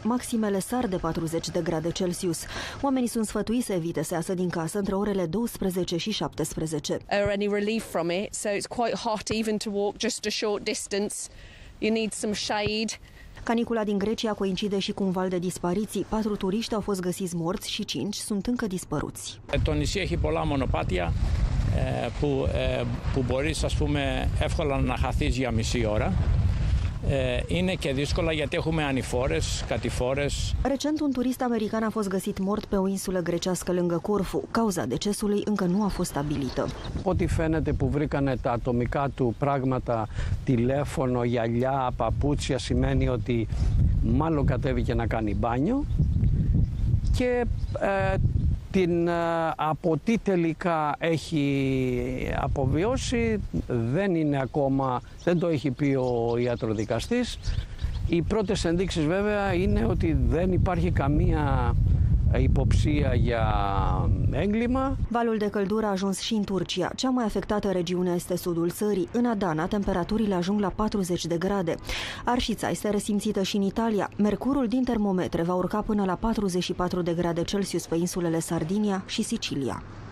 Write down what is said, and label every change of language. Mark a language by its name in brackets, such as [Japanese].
[Romanian] Maximele sar de 40 de grade Celsius. Oamenii sunt sfătuiți să evite să iasă din casă între orele 12 și 17. [English] Are any relief from it? So it's quite hot even to walk just a short distance. You need some shade. [Romanian] Canicula din Grecia coincide și cu un val de dispariții. 4 turiști au fost găsiți morți și 5 sunt încă dispăruți. Tonisie Hipola Monopatia. [Greek] Που μπορείς, ας πούμε, εύκολα να χαθείς για μισή ώρα. Είναι και δύσκολα γιατί έχουμε ανηφόρες, κατηφόρες. [Romanian] Recent, un turist american a fost găsit mort pe o insulă grecească lângă Corfu. Cauza decesului încă nu a fost stabilită. [Greek] Ό,τι φαίνεται που βρήκανε τα ατομικά του πράγματα, τηλέφωνο, γυαλιά, παπούτσια, σημαίνει ότι μάλλον κατέβηκε να κάνει μπάνιο. Και την από τι τελικά έχει αποβιώσει δεν είναι ακόμα, δεν το έχει πει ο ιατροδικαστής. Οι πρώτες ενδείξεις βέβαια είναι ότι δεν υπάρχει καμία υποψία για έγκλημα. [Romanian] Valul de căldură a ajuns și în Turcia. Cea mai afectată regiune este sudul țării. În Adana, temperaturile ajung la 40 de grade. Arșița este resimțită și în Italia. Mercurul din termometre va urca până la 44 de grade Celsius pe insulele Sardinia și Sicilia.